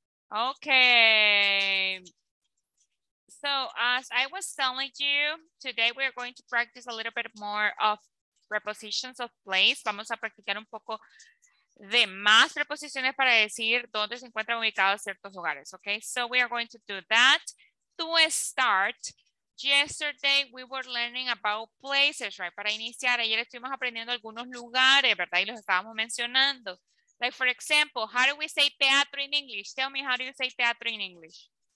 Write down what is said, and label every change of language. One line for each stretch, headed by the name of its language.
English: Okay. So as I was telling you, today we're going to practice a little bit more of prepositions of place.
Spanish: Vamos a practicar un poco de más preposiciones para decir dónde se encuentran ubicados ciertos lugares.
English: Okay, so we are going to do that. To start, yesterday we were learning about places, right?
Spanish: Para iniciar, ayer estuvimos aprendiendo algunos lugares, ¿verdad? Y los estábamos mencionando.
English: Like, for example, how do we say teatro in English? Tell me, how do you say teatro in English?